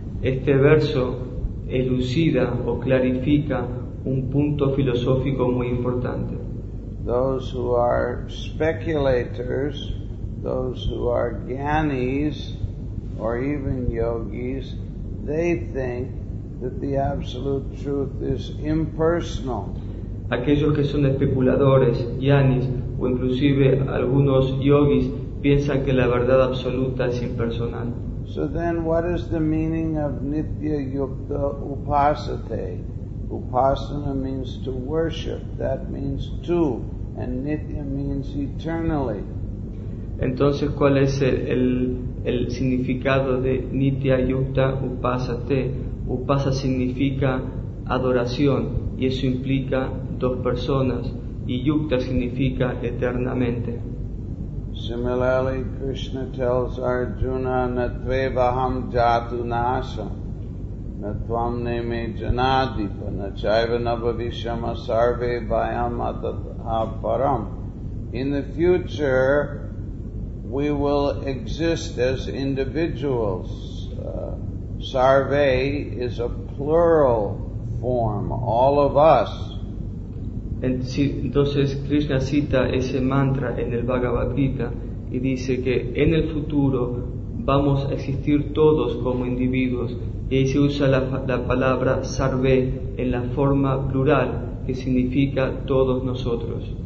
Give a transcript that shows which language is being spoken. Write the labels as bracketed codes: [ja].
[es] Este verso elucida o clarifica un punto filosófico muy importante. [en] Those who are speculators, those who are gyanis, or even yogis, they think that the absolute truth is impersonal. [es] Aquellos que son especuladores, gyanis, o inclusive algunos yogis, piensan que la verdad absoluta es impersonal. [en] So then what is the meaning of nitya yukta upasate? Upasana means to worship, that means two, and nitya means eternally. [es] Entonces, ¿cuál es el significado de nitya yukta upasate? Upasa significa adoración, y eso implica dos personas, y yukta significa eternamente. [en] Similarly, Krishna tells Arjuna, [sa] natvevaham jatu nasham, natvam neme janadipa, nachaiva nabhavishyama sarve vayam atatha param. [en] In the future, we will exist as individuals. Sarve is a plural form, all of us. [es] Entonces Krishna cita ese mantra en el Bhagavad Gita y dice que en el futuro vamos a existir todos como individuos. Y ahí se usa la palabra sarvé en la forma plural, que significa todos nosotros.